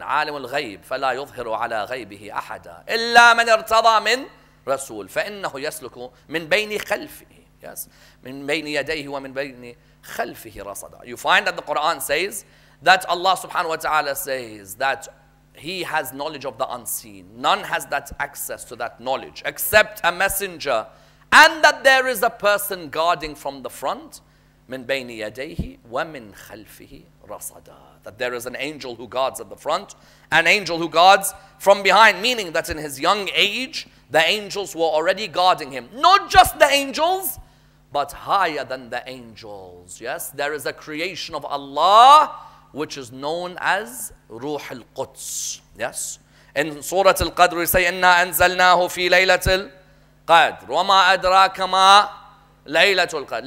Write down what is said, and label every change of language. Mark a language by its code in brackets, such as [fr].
[ar] عالم الغيب فلا يظهر على غيبه أحدا إلا من ارتضى من رسول فإنه يسلك من بين خلفه. [en] Yes. [ar] من بين يديه ومن بين خلفه رصدا. [en] You find that the Quran says that Allah subhanahu wa ta'ala says that He has knowledge of the unseen. None has that access to that knowledge except a messenger, and that there is a person guarding from the front. [ar] مِنْ بَيْنِ يَدَيْهِ وَمِنْ خَلْفِهِ رَصَدًا. [en] That there is an angel who guards at the front, an angel who guards from behind, meaning that in his young age, the angels were already guarding him. Not just the angels, but higher than the angels. Yes, there is a creation of Allah, which is known as Ruh al-Quds. Yes. In Surah al-Qadr, we say, [ar] إِنَّا أَنزَلْنَاهُ فِي لَيْلَةِ الْقَدْرِ وَمَا أَدْرَاكَ مَا Laylatul Qadr.